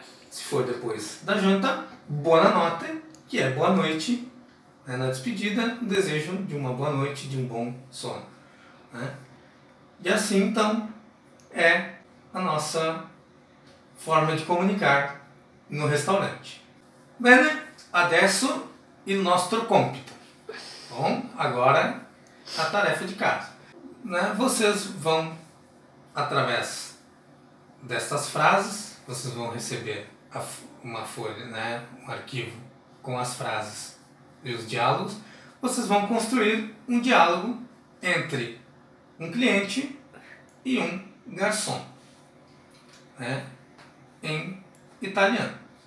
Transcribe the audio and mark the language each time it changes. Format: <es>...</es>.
<pt>Se for depois da janta,</pt> <it>buona notte,</it> <pt>que é boa noite. Né, na despedida, desejo de uma boa noite, de um bom sono. Né? E assim, então, é a nossa forma de comunicar no restaurante.</pt> <it>Bene, adesso il nostro compito.</it> <pt>Bom, agora a tarefa de casa. Né, vocês vão, através destas frases, vocês vão receber uma folha, né, um arquivo com as frases e os diálogos. Vocês vão construir um diálogo entre um cliente e um garçom, né, em italiano.</pt>